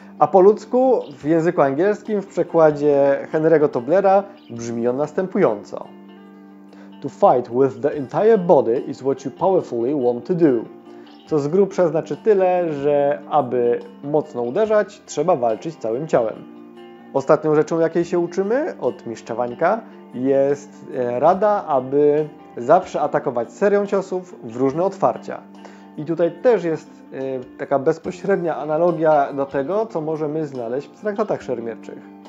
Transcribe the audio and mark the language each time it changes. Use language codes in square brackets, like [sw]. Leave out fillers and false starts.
[pl] A po ludzku, w języku angielskim, w przekładzie Henry'ego Toblera, brzmi on następująco. [en] To fight with the entire body is what you powerfully want to do. [pl] Co z grubsza znaczy tyle, że aby mocno uderzać, trzeba walczyć całym ciałem. Ostatnią rzeczą, jakiej się uczymy od mistrza Wańka, jest rada, aby zawsze atakować serią ciosów w różne otwarcia. I tutaj też jest taka bezpośrednia analogia do tego, co możemy znaleźć w traktatach szermierczych.